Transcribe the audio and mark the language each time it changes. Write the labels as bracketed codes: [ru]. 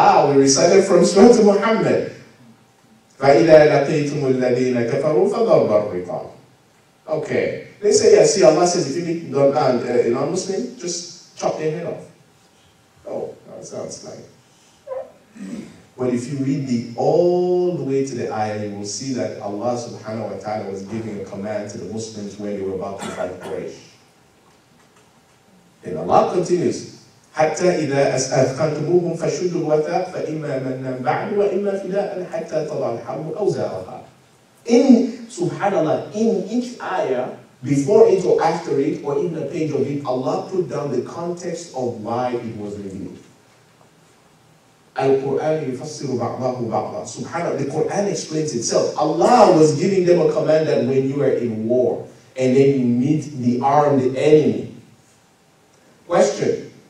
[en] We recited from Surah Muhammad. [ar] فَإِذَا لَقِيْتُمُ الَّذِينَ كَفَرُوا فَضَرْبَ الرِّقَابِ. [en] Okay. They say, yeah, see, Allah says, if you meet a non-Muslim, just chop their head off. Oh, that sounds like. But if you read the all the way to the ayah, you will see that Allah subhanahu wa ta'ala was giving a command to the Muslims when they were about to fight Quraysh. And Allah continues, [ar] حَتَّى إِذَا أَسْأَفْقَنْتُمُوهُمْ فَشُدُّوا الْوَثَاقَ فَإِمَّا مَنَّا بَعْدُ وَإِمَّا فِدَاءً حَتَّى تَضَعَ الْحَرْبُ أَوْزَارَهَا. [en] In, subhanAllah, in each ayah, before it or after it, or in the page of it, Allah put down the context of why it was revealed. [ar] Al-Qur'an yufassiru ba'dahu ba'dah. [en] SubhanAllah, the Qur'an explains itself. Allah was giving them a command that when you are in war, and then you meet the armed enemy. Question.